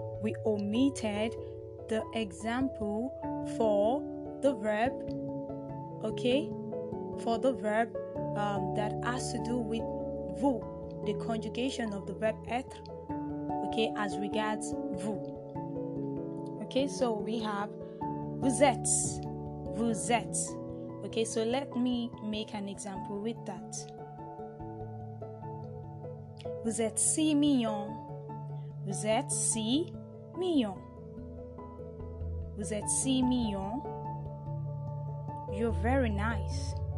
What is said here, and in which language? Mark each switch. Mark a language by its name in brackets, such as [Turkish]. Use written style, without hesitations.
[English] We omitted the example for the verb, okay? For the verb that has to do with vous, the conjugation of the verb être, okay, as regards vous. Okay, so we have vous êtes. Okay, so let me make an example with that. [French] Vous êtes si mignon. Vous êtes si mignon. Vous êtes si mignon. [English] You're very nice.